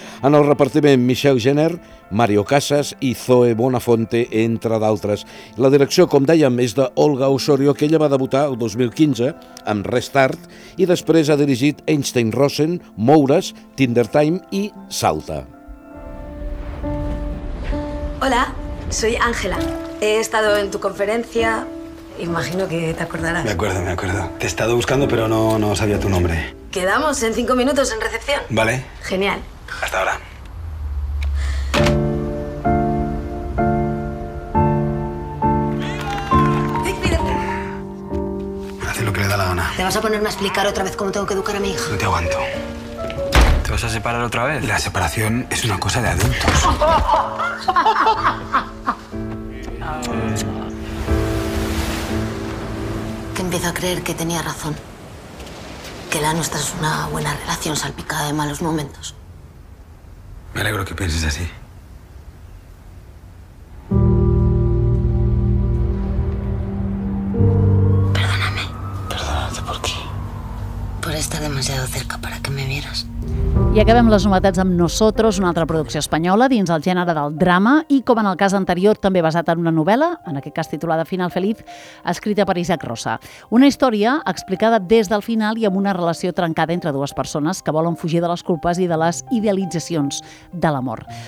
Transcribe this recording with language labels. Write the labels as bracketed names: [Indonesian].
[Catalan] En el repartiment, Michel Jenner, Mario Casas i Zoe Bonafonte, entre d'altres. La direcció, com dèiem, és d'Olga Osorio, que ella va debutar el 2015 amb Restart i després ha dirigit Einstein Rosen, Moures, Tinder Time i Salta. [Spanish] Hola, soy Ángela. He estado en tu conferencia... Imagino que te acordarás. Me acuerdo. Te he estado buscando, pero no sabía tu nombre. ¿Quedamos en 5 minutos en recepción? Vale. Genial. Hasta ahora. Hace lo que le da la gana. ¿Te vas a ponerme a explicar otra vez cómo tengo que educar a mi hija? No te aguanto. ¿Te vas a separar otra vez? La separación es una cosa de adultos. Empiezo a creer que tenía razón. Que la nuestra es una buena relación salpicada de malos momentos. Me alegro que pienses así. Perdóname. ¿Perdonarte por qué? Por estar demasiado cerca para que me vieras. [Catalan] I acabem les novetats amb Nosotros, una altra producció espanyola dins el gènere del drama i, com en el cas anterior, també basat en una novel·la, en aquest cas titulada Final Feliz, escrita per Isaac Rosa. Una història explicada des del final i amb una relació trencada entre dues persones que volen fugir de les culpes i de les idealitzacions de l'amor.